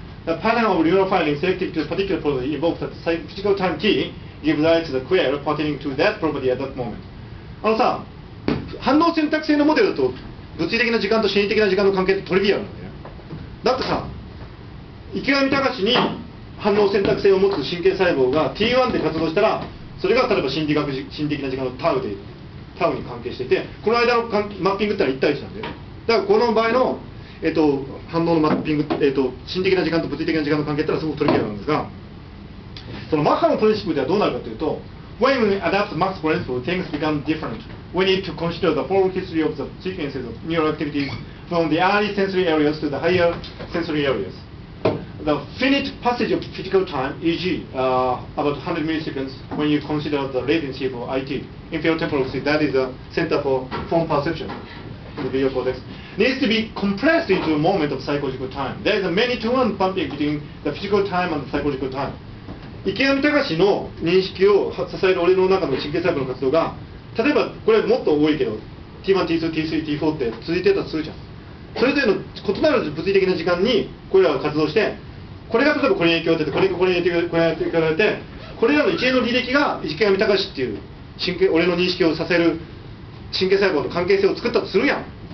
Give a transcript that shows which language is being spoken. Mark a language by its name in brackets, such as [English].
[English] The pattern of neural firing selective to a particular property involves that physical time T gives rise to the query pertaining to that property at that moment. [Japanese] あのさ、反応選択性のモデルと物理的な時間と心理的な時間の関係ってトリビアなんだよ。だってさ、池上隆に反応選択性を持つ神経細胞が T1 で活動したら、それが例えば心理的な時間のタウでタウに関係していて、この間のマッピングってのは1対1なんだよ。だからこの場合の、反応のマッピング、心理的な時間と物理的な時間の関係ってのはすごくトリビアなんですが、そのマッハのプリンシップではどうなるかというと、 [English] When we adapt the Mach's principle, things become different. We need to consider the full history of the sequences of neural activities from the early sensory areas to the higher sensory areas. The finite passage of physical time, e.g. About 100 milliseconds, when you consider the latency for IT, inferior temporal lobe, that is the center for form perception in the visual cortex, needs to be compressed into a moment of psychological time. There is a many to one bumping between the physical time and the psychological time. [Japanese] 池上隆の認識を支える俺の中の神経細胞の活動が、例えばこれもっと多いけど、T1、T2、T3、T4 って続いてた数じゃん。それぞれの異なる物理的な時間にこれらが活動して、これが例えばこれに影響を与えて、これがこれに影響を与えて、これらの一連の履歴が池上隆っていう神経、俺の認識をさせる神経細胞の関係性を作ったとするやん。